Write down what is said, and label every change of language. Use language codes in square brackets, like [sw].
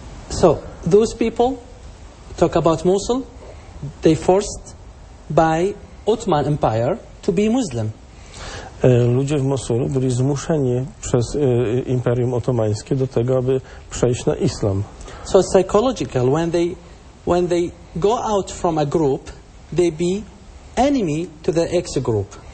[en] So those people talk about Mosul, they forced by Ottoman Empire to be Muslim. [pl] Ludzie w Mosulu byli zmuszeni przez Imperium Otomańskie do tego, aby przejść na islam. [en] So psychological, when they go out from a group, they be enemy to the ex group.